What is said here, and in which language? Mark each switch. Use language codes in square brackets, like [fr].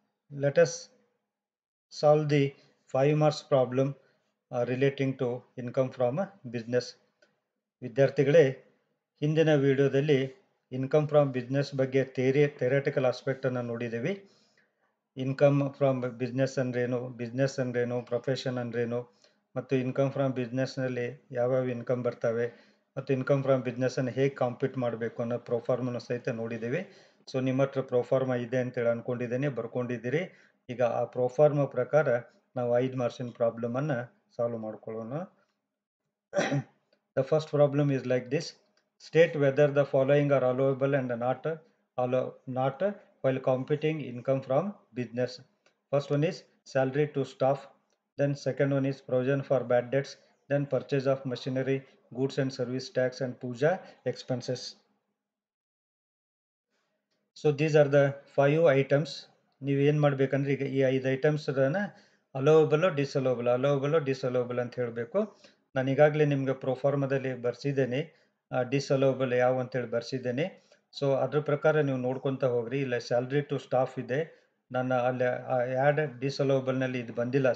[en] Let us solve the 5 marks problem relating to income from a business. [kn] ವಿದ್ಯಾರ್ಥಿಗಳೇ, ಹಿಂದಿನ ವಿಡಿಯೋದಲ್ಲಿ income from business ಬಗ್ಗೆ theoretical ಆಸ್ಪೆಕ್ಟನ್ನು ನೋಡಿದ್ದೀವಿ. Income from business ಅಂದ್ರೇನು, business ಅಂದ್ರೇನು, ಪ್ರೊಫೆಷನ್ ಅಂದ್ರೇನು, ಮತ್ತು ಇನ್ಕಮ್ ಫ್ರಾಮ್ ಬಿಸ್ನೆಸ್ನಲ್ಲಿ ಯಾವ್ಯಾವ ಇನ್ಕಮ್ ಬರ್ತವೆ, ಮತ್ತು ಇನ್ಕಮ್ ಫ್ರಾಮ್ ಬಿಸ್ನೆಸ್ಸನ್ನು ಹೇಗೆ ಕಾಂಪೀಟ್ ಮಾಡಬೇಕು ಅನ್ನೋ ಪ್ರೊಫಾರ್ಮನ ಸಹಿತ ನೋಡಿದ್ದೀವಿ. ಸೊ ನಿಮ್ಮ ಹತ್ರ ಪ್ರೊಫಾರ್ಮ ಇದೆ ಅಂತೇಳಿ ಅಂದ್ಕೊಂಡಿದ್ದೀನಿ, ಬರ್ಕೊಂಡಿದ್ದೀರಿ. ಈಗ ಆ ಪ್ರೊಫಾರ್ಮ ಪ್ರಕಾರ ನಾವು 5 ಮಾರ್ಕ್ಸಿನ ಪ್ರಾಬ್ಲಮನ್ನು ಸಾಲ್ವ್ ಮಾಡ್ಕೊಳ್ಳೋಣ. [en] The first problem is like this. State whether the following are allowable and not while computing income from business. First one is salary to staff. Then second one is provision for bad debts. Then purchase of machinery, goods and service tax and puja expenses. So these are the 5 items. [kn] ನೀವು ಏನು ಮಾಡಬೇಕಂದ್ರೆ ಈಗ ಈ 5 items allowable disallowable allowable disallowable ಅಂತ ಹೇಳಬೇಕು. ನಾನು ಈಗಾಗಲೇ ನಿಮಗೆ ಪ್ರೊಫಾರ್ಮದಲ್ಲಿ ಬರೆಸಿದ್ದೀನಿ ಡಿಸಲೋಬಲ್ ಯಾವ ಅಂತೇಳಿ ಬರೆಸಿದ್ದೀನಿ. ಸೊ ಅದ್ರ ಪ್ರಕಾರ ನೀವು ನೋಡ್ಕೊತ ಹೋಗ್ರಿ. ಇಲ್ಲ ಸ್ಯಾಲ್ರಿ ಟು ಸ್ಟಾಫ್ ಇದೆ, ನನ್ನ ಅಲ್ಲಿ ಆ್ಯಡ್ ಡಿಸಲೋಬಲ್ನಲ್ಲಿ ಇದು ಬಂದಿಲ್ಲ.